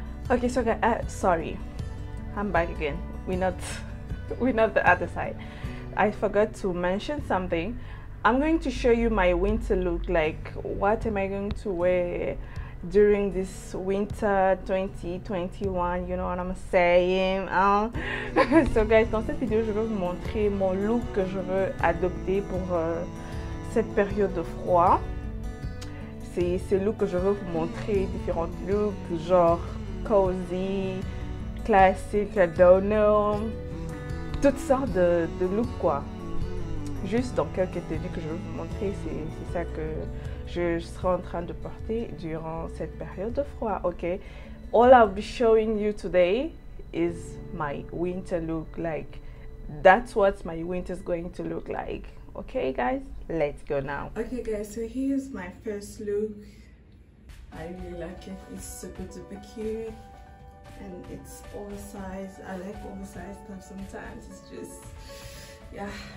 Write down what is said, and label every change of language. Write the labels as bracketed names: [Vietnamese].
[English] Okay, so guys, sorry, I'm back again. We're not the other side. I forgot to mention something. I'm going to show you my winter look, like what am I going to wear during this winter 2021, you know what I'm saying, hein? So guys, [French] dans cette vidéo, je veux vous montrer mon look que je veux adopter pour cette période de froid. C'est ce look que je veux vous montrer, différents looks, genre cozy, classic, [English] I don't know, [French] toutes sortes de looks quoi. Juste dans quelques tenues que je vais vous montrer, c'est ça que je serai en train de porter durant cette période de froid, ok? [English] All I'll be showing you today is my winter look, like, that's what my winter is going to look like. Ok guys, let's go now. Ok guys, so here's my first look. I really like it, it's super duper cute. And it's all size, I like all size stuff sometimes, it's just, yeah.